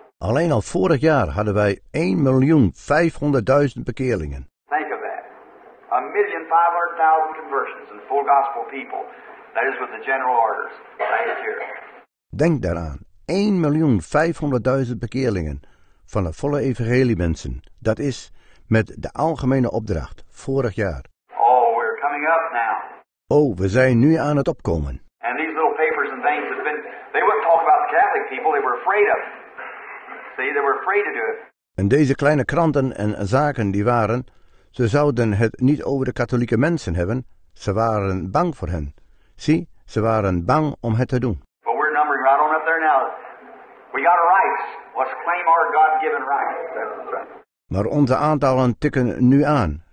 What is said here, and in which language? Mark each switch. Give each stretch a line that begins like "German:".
Dutch: Alleen al vorig jaar hadden wij 1,500,000 bekeerlingen.
English: Think of that. 1,500,000 conversions in full gospel people. That is with the general orders. Last year.
Dutch: Denk daaraan. 1,500,000 bekeerlingen. Van de volle evangelie mensen, dat is met de algemene opdracht vorig jaar.
English: Oh, we're coming up now.
Dutch: Oh, we zijn nu aan het opkomen.
English: And these little papers and things have been, they wouldn't talk about the Catholic people, they were afraid of. See, they were afraid to do it.
Dutch: En deze kleine kranten en zaken die waren, ze zouden het niet over de katholieke mensen hebben, ze waren bang voor hen. Zie, ze waren bang om het te doen.
English: But we're numbering right on up there now. We got our rights. Let's claim our God-given rights.
Dutch: Maar onze aantallen tikken nu aan.